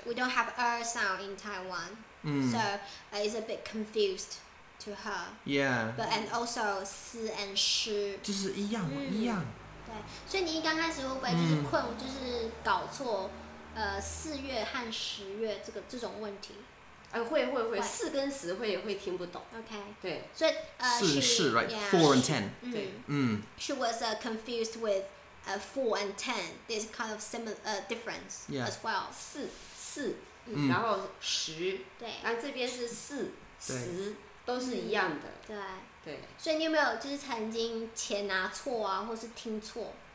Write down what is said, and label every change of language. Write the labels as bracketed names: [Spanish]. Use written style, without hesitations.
[English] We don't have a sound in Taiwan,、so it's a bit confused to her. Yeah. But and also 思 and 诗， [Chinese] 就是一样、一样。对，所以你刚开始会不会就是困，就是搞错四月和十月这种问题？会四跟十会听不懂。 [English] OK， [Chinese] 对，所以 [English] 是 right yeah, four and ten， [Chinese] 对，嗯 [English] ，she was confused with four and ten， this kind of similar difference、 yeah. as well， [Chinese] 四、嗯，然后十，对，那这边是四十都是一样的，对对，所以你有没有就是曾经钱拿错啊，或是听错？